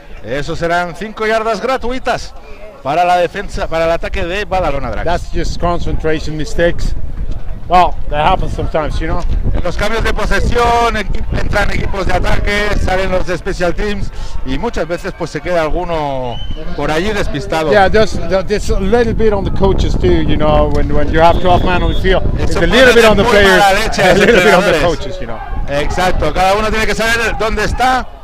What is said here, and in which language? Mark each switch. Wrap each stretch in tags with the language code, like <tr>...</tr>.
<es>Eso serán 5 yardas gratuitas para la defensa, para el ataque de Badalona Drags.</es> <en>That's just concentration mistakes. Well, that happens sometimes, you know.</en> <es>En los cambios de posesión entran equipos de ataque, salen los de special teams y muchas veces pues se queda alguno por allí despistado.</es> <en>Yeah, there's a little bit on the coaches too, you know, when you have 12 men on the field. It's a little bit on the players, a little bit on the coaches, you know.</en> <es>Exacto, cada uno tiene que saber dónde está</es>